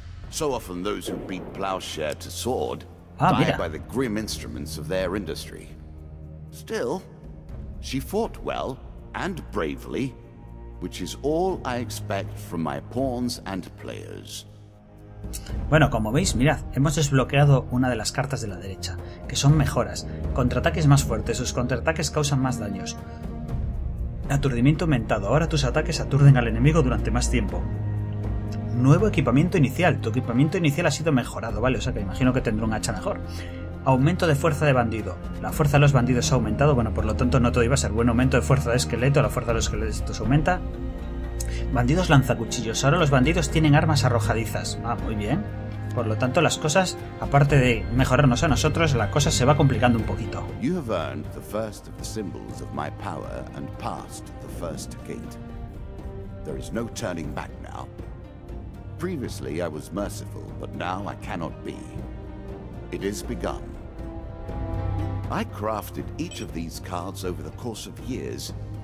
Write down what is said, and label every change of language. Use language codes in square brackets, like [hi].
[en] So often those who beat plowshare to sword die by the grim instruments of their industry. Still, she fought well and bravely, which is all I expect from my pawns and players. [es] Bueno, como veis, mirad, hemos desbloqueado una de las cartas de la derecha, que son mejoras, contraataques más fuertes, sus contraataques causan más daños. Aturdimiento aumentado, ahora tus ataques aturden al enemigo durante más tiempo. Nuevo equipamiento inicial, tu equipamiento inicial ha sido mejorado, vale, o sea que imagino que tendrá un hacha mejor. Aumento de fuerza de bandido, la fuerza de los bandidos ha aumentado, bueno, por lo tanto no todo iba a ser bueno. Aumento de fuerza de esqueleto, la fuerza de los esqueletos aumenta. Bandidos lanzacuchillos, ahora los bandidos tienen armas arrojadizas. Ah, muy bien. Por lo tanto, las cosas, aparte de mejorarnos a nosotros, la cosa se va complicando un poquito. [en] You have earned the first of the symbols of my power and passed the first gate. There is no turning back now. Previously I was merciful, but now I cannot be. It is begun. I crafted each of these cards over the course of years.